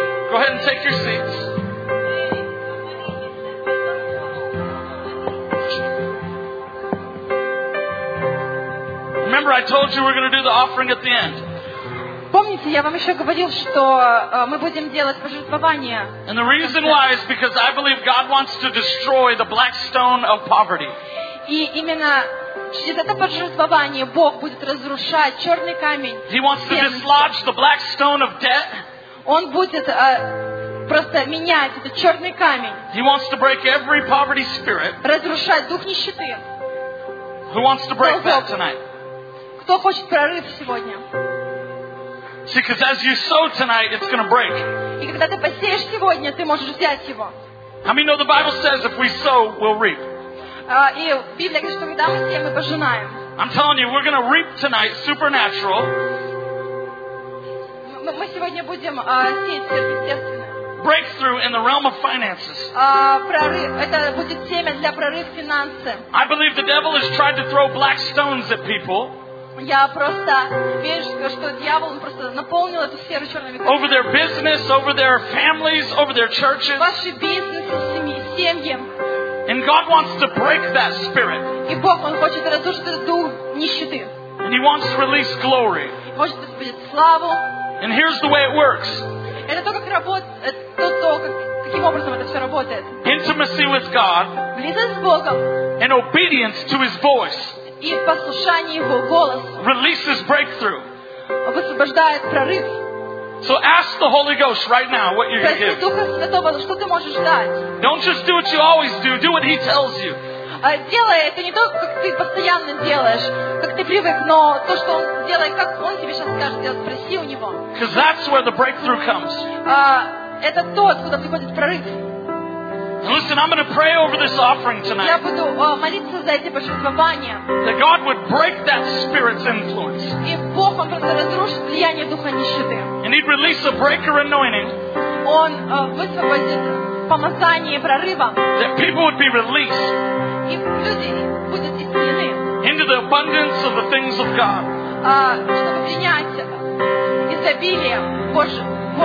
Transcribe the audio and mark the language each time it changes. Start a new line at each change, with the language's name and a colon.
English: Go ahead and take your seats. Remember, I told you we're going to do the offering at the end.
Russian: Помните, я вам еще говорил, что мы будем делать пожертвования.
English: And the reason why is because I believe God wants to destroy the black stone of poverty.
Russian: И именно через это пожертвование Бог будет разрушать черный камень.
English: He wants to dislodge the black stone of debt.
Russian: Он будет просто менять этот черный камень.
English: He wants to break every poverty spirit.
Russian: Разрушать дух нищеты.
English: Who wants to break that tonight?
Russian: Кто хочет прорыв сегодня?
English: See, because as you sow tonight, it's going to break.
Russian: И когда ты посеешь сегодня, ты можешь взять его.
English: How many know the Bible says if we sow, we'll reap?
Russian: И Библия говорит, что когда мы сеем, мы пожинаем.
English: I'm telling you, we're going to reap tonight, supernatural.
Russian: Мы сегодня будем сеять сверхъестественное.
English: Breakthrough in the realm of finances.
Russian: Это будет семя для прорыв финансы.
English: I believe the devil has tried to throw black stones at people.
Russian: Я просто верю, что дьявол просто наполнил эту сферу черными камнями.
English: Over their business, over their families, over their churches.
Russian: Ваши бизнесы, семьи.
English: And God wants to break that spirit.
Russian: И Бог, Он хочет разрушить этот дух нищеты.
English: And He wants to release glory.
Russian: Хочет высвободить славу.
English: And here's the way it works.
Russian: Это то, как работает, то, каким образом это все работает.
English: Intimacy with God.
Russian: Близость с Богом.
English: And obedience to His voice.
Russian: И послушание его голос
English: releases breakthrough.
Russian: Высвобождает прорыв.
English: So ask the Holy Ghost right now what you're going to give.
Russian: Духа Святого, что ты можешь дать?
English: Don't just do what you always do. Do what He tells you.
Russian: Делай это не то, как ты постоянно делаешь, как ты привык, но то, что он делает, как он тебе сейчас скажет, делать, спроси у него.
English: Because that's where the breakthrough comes.
Russian: Это то, откуда приходит прорыв.
English: Listen, I'm going to pray over this offering tonight.
Russian: Я буду молиться за эти пожертвования.
English: That God would break that spirit's influence.
Russian: И Бог, Он просто разрушит влияние духа нищеты.
English: And He'd release a breaker anointing.
Russian: Он высвободит помазание прорыва.
English: That people would be released.
Russian: И люди будут исцелены.
English: Into the abundance of the things of God.
Russian: Чтобы принять изобилие Божьего.